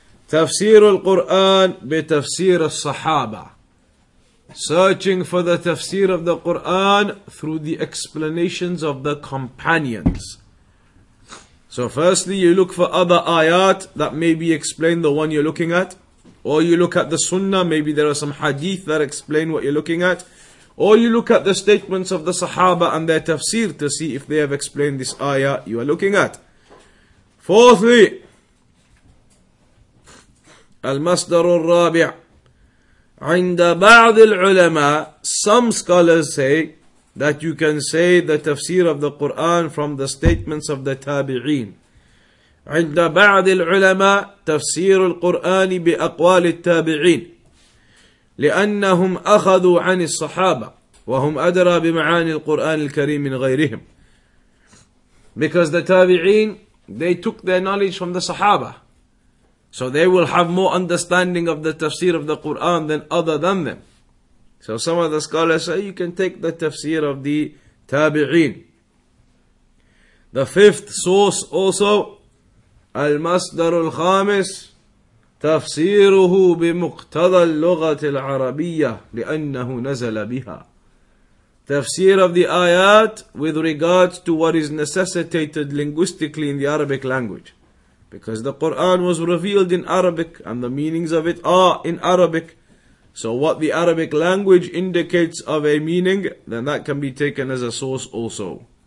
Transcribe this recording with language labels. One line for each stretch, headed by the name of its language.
Arabic: تفسير القرآن بتفسير الصحابة.
English: Searching for the tafsir of the Qur'an through the explanations of the companions. So firstly, you look for other ayat that may be explained the one you're looking at. Or you look at the sunnah, maybe there are some hadith that explain what you're looking at. Or you look at the statements of the sahaba and their tafsir to see if they have explained this ayah you are looking at.
Arabic: Fourthly, المصدر الرابع عند بعض العلماء.
English: Some scholars say that you can say the tafsir of the Quran from the statements of the tabi'een.
Arabic: عند بعض العلماء تفسير القرآن بأقوال التابعين لأنهم أخذوا عن الصحابة وهم أدرى بمعاني القرآن الكريم من غيرهم.
English: Because the tabi'een, they took their knowledge from the sahaba. So they will have more understanding of the tafsir of the Qur'an than other than them. So some of the scholars say you can take the tafsir of the tabi'een. The fifth source also,
Arabic: al-masdar al-khamis, تفسيره بمقتضى اللغة العربية لأنه نزل بها.
English: Tafsir of the ayat with regards to what is necessitated linguistically in the Arabic language. Because the Quran was revealed in Arabic and the meanings of it are in Arabic. So what the Arabic language indicates of a meaning, then that can be taken as a source also.